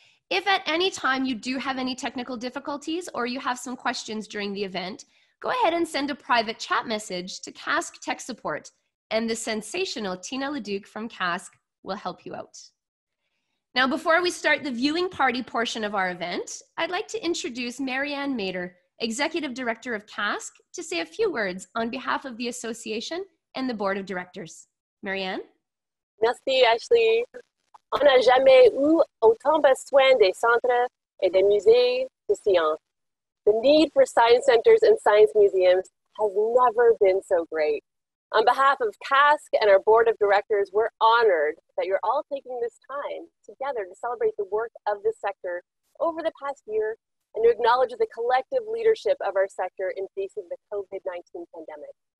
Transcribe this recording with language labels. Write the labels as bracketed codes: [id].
[en] If at any time you do have any technical difficulties or you have some questions during the event, go ahead and send a private chat message to CASC Tech Support, and the sensational Tina LaDuke from CASC will help you out. Now, before we start the viewing party portion of our event, I'd like to introduce Marianne Mader, Executive Director of CASC, to say a few words on behalf of the association and the Board of Directors. Marianne? [fr] Merci, Ashley. On n'a jamais eu autant besoin des centres et des musées de science. [en] The need for science centers and science museums has never been so great. On behalf of CASC and our board of directors, we're honored that you're all taking this time together to celebrate the work of the sector over the past year and to acknowledge the collective leadership of our sector in facing the COVID-19 pandemic.